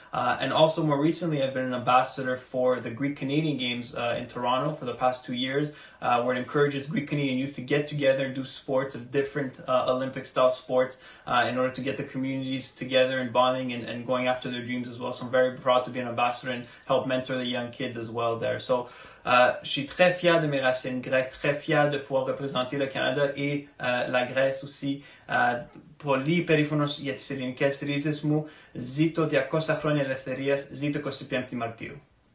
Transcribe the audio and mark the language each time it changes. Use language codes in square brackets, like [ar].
[en] And also more recently, I've been an ambassador for the Greek Canadian Games in Toronto for the past 2 years, where it encourages Greek Canadian youth to get together and do sports of different Olympic style sports in order to get the communities together and bonding and going after their dreams as well. So I'm very proud to be an ambassador and help mentor the young kids as well there. [fr] So je suis très fier de mes racines grecques, très fier de pouvoir représenter le Canada et la Grèce aussi. [el] Πολύ περήφανος για τις ελληνικές ρίζες μου. Ζήτω 200 χρόνια ελευθερίας. Ζήτω 25η Μαρτίου.